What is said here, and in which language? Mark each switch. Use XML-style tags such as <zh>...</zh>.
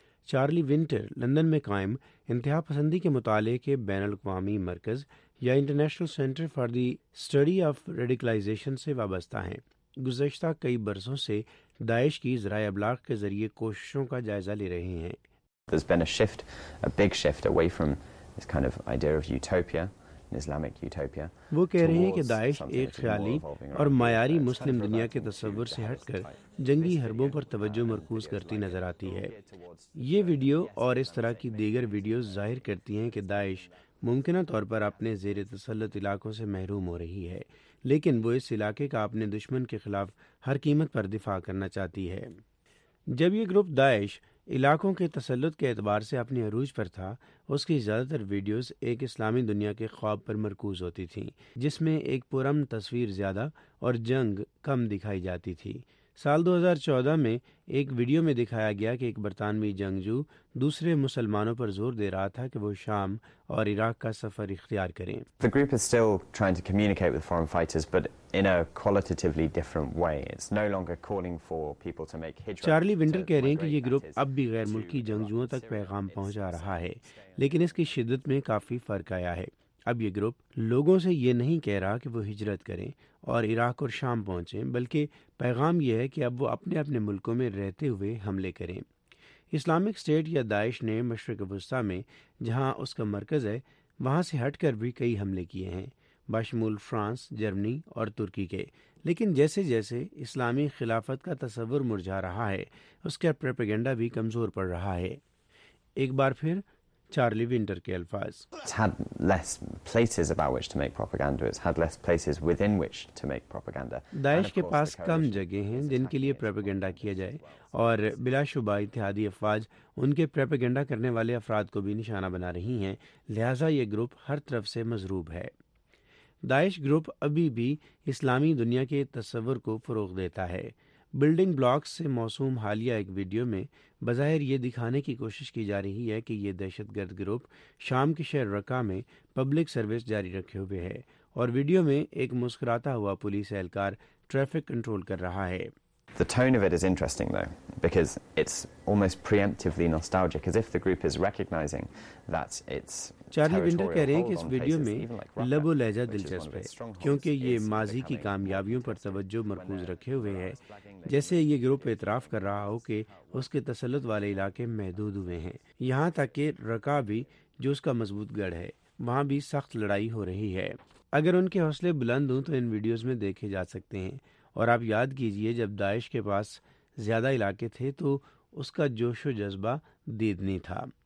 <ur>Charlie winter London میں قائم انتہا پسندی کے مطالعے کے بین الاقوامی مرکز یا international centre for the study of radicalisation سے وابستہ ہیں۔ گزشتہ کئی برسوں سے داعش کی ذرائع ابلاغ کے ذریعے کوششوں کا جائزہ لے رہے ہیں۔</ur> <en>There's been a shift, a big shift away from this kind of idea of utopia, an Islamic utopia.</en> <ur>وہ کہہ رہے ہیں کہ داعش ایک خیالی اور معیاری مسلم دنیا کے تصور سے ہٹ کر جنگی حربوں پر توجہ مرکوز کرتی نظر آتی ہے۔ یہ ویڈیو اور اس طرح کی دیگر ویڈیوز ظاہر کرتی ہیں کہ داعش ممکنہ طور پر اپنے زیر تسلط علاقوں سے محروم ہو رہی ہے، لیکن وہ اس علاقے کا اپنے دشمن کے خلاف ہر قیمت پر دفاع کرنا چاہتی ہے۔ جب یہ گروپ داعش علاقوں کے تسلط کے اعتبار سے اپنے عروج پر تھا، اس کی زیادہ تر ویڈیوز ایک اسلامی دنیا کے خواب پر مرکوز ہوتی تھیں جس میں ایک پرامن تصویر زیادہ اور جنگ کم دکھائی جاتی تھی۔ سال 2014 میں ایک ویڈیو میں دکھایا گیا کہ ایک برطانوی جنگجو دوسرے مسلمانوں پر زور دے رہا تھا کہ وہ شام اور عراق کا سفر اختیار کریں۔</ur> <en>The group is still trying to communicate with foreign fighters but in a qualitatively different way. It's no longer calling for people to make hijrah.</en> <ur>Charlie winter کہہ رہے ہیں کہ یہ گروپ اب بھی غیر ملکی جنگجوؤں تک پیغام پہنچا رہا ہے، لیکن اس کی شدت میں کافی فرق آیا ہے۔ اب یہ گروپ لوگوں سے یہ نہیں کہہ رہا کہ وہ ہجرت کریں اور عراق اور شام پہنچیں، بلکہ پیغام یہ ہے کہ اب وہ اپنے اپنے ملکوں میں رہتے ہوئے حملے کریں۔ اسلامک اسٹیٹ یا داعش نے مشرق وسطی میں، جہاں اس کا مرکز ہے، وہاں سے ہٹ کر بھی کئی حملے کیے ہیں، بشمول فرانس، جرمنی اور ترکی کے۔ لیکن جیسے جیسے اسلامی خلافت کا تصور مرجھا رہا ہے، اس کا پروپیگنڈا بھی کمزور پڑ رہا ہے۔ ایک بار پھر چارلی ونٹر کے الفاظ۔</ur> <en>It's had less places about which to make propaganda. It's had less places within which to make propaganda.</en> <ur>داعش کے پاس کم جگہ ہیں جن کے لیے پروپیگنڈا کیا جائے، اور بلا شبہ اتحادی افواج ان کے پروپیگنڈا کرنے والے افراد کو بھی نشانہ بنا رہی ہیں، لہذا یہ گروپ ہر طرف سے مضروب ہے۔ داعش گروپ ابھی بھی اسلامی دنیا کے تصور کو فروغ دیتا ہے۔ بلڈنگ بلاکس سے موسوم حالیہ ایک ویڈیو میں بظاہر یہ دکھانے کی کوشش کی جا رہی ہے کہ یہ دہشت گرد گروپ شام کے شہر رقہ میں پبلک سروس جاری رکھے ہوئے ہے، اور ویڈیو میں ایک مسکراتا ہوا پولیس اہلکار ٹریفک کنٹرول کر رہا ہے۔</ur> <en>The tone of it is interesting though because it's almost preemptively nostalgic as if the group is recognizing that it's</en> <ur>Charlie winter کہہ رہے ہیں کہ اس ویڈیو میں لب و لہجہ دلچسپ ہے کیونکہ یہ ماضی کی کامیابیوں پر توجہ مرکوز رکھے ہوئے ہے، جیسے یہ گروپ اعتراف کر رہا ہو کہ اس کے تسلط والے علاقے محدود ہوئے ہیں، یہاں تک کہ رقہ بھی جو اس کا مضبوط گڑھ ہے، وہاں بھی سخت لڑائی ہو رہی ہے۔ اگر ان کے حوصلے بلند ہوں تو ان ویڈیوز میں دیکھے جا سکتے ہیں، اور آپ یاد کیجئے جب داعش کے پاس زیادہ علاقے تھے تو اس کا جوش و جذبہ دیدنی تھا۔</ur>